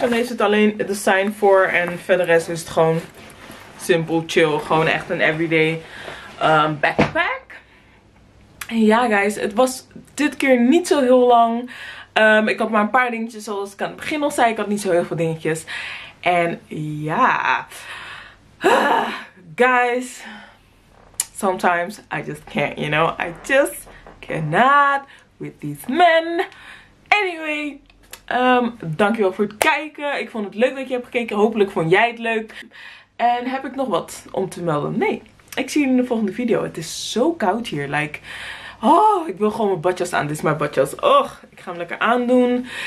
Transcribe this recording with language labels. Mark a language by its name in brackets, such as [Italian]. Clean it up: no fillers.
[Dutch] Dan heeft het alleen het design voor. En verder rest is het gewoon simpel, chill. Gewoon echt een everyday backpack. En ja, guys, het was dit keer niet zo heel lang. Ik had maar een paar dingetjes, zoals ik aan het begin al zei. Ik had niet zo heel veel dingetjes. En ja, [English] guys, sometimes I just can't, you know. I just cannot with these men. [Dutch] Anyway, dankjewel voor het kijken. Ik vond het leuk dat je hebt gekeken. Hopelijk vond jij het leuk. En heb ik nog wat om te melden? Nee, ik zie jullie in de volgende video. Het is zo koud hier, like... Oh, ik wil gewoon mijn badjas aan. Dit is mijn badjas. Och, ik ga hem lekker aandoen.